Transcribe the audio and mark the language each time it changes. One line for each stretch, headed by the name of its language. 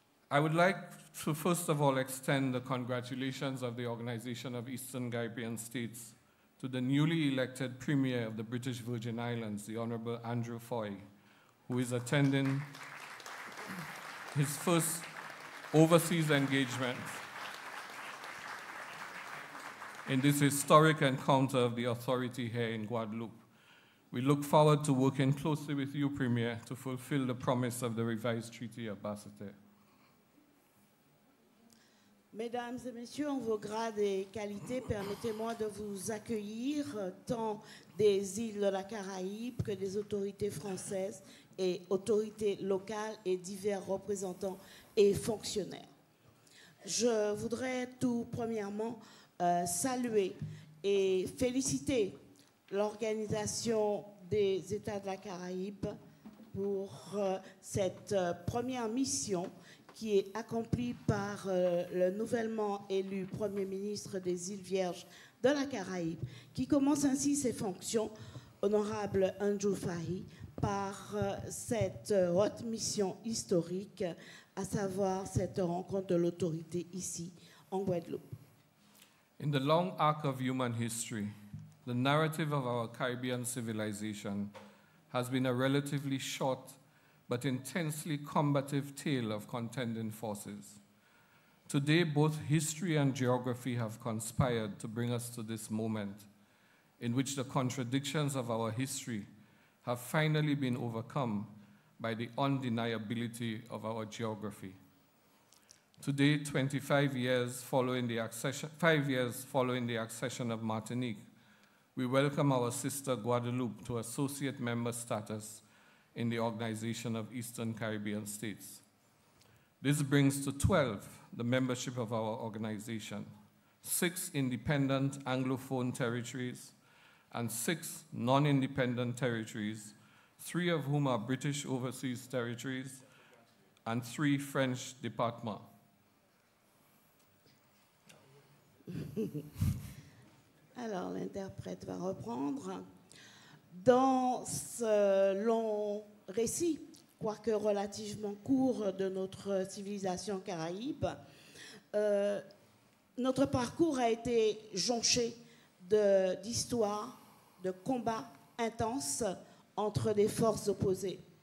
English: I would like to first of all extend the congratulations of the Organization of Eastern Caribbean States to the newly elected Premier of the British Virgin Islands, the Honorable Andrew Foy, who is attending his first overseas engagement in this historic encounter of the authority here in Guadeloupe. We look forward to working closely with you, Premier, to fulfill the promise of the revised Treaty of Basse-Terre.
French: Mesdames et messieurs, en vos grades et qualités, permettez-moi de vous accueillir tant des îles de la Caraïbe que des autorités françaises et autorités locales et divers représentants et fonctionnaires. Je voudrais tout premièrement saluer et féliciter l'Organisation des États de la Caraïbe pour cette première mission qui est accomplie par le nouvellement élu Premier ministre des Îles Vierges de la Caraïbe, qui commence ainsi ses fonctions, honorable Andrew Fahy, par cette haute mission historique, à savoir cette rencontre de l'autorité ici en Guadeloupe.
English: In the long arc of human history, the narrative of our Caribbean civilization has been a relatively short but intensely combative tale of contending forces. Today, both history and geography have conspired to bring us to this moment in which the contradictions of our history have finally been overcome by the undeniability of our geography. Today, 25 years following the accession, 5 years following the accession of Martinique, we welcome our sister Guadeloupe to associate member status in the Organization of Eastern Caribbean States. This brings to 12 the membership of our organization, 6 independent Anglophone territories and 6 non-independent territories, 3 of whom are British overseas territories and 3 French departments.
French: Alors, l'interprète va reprendre. Dans ce long récit, quoique relativement court, de notre civilisation caraïbe, notre parcours a été jonché d'histoires, de combats intenses entre des forces opposées.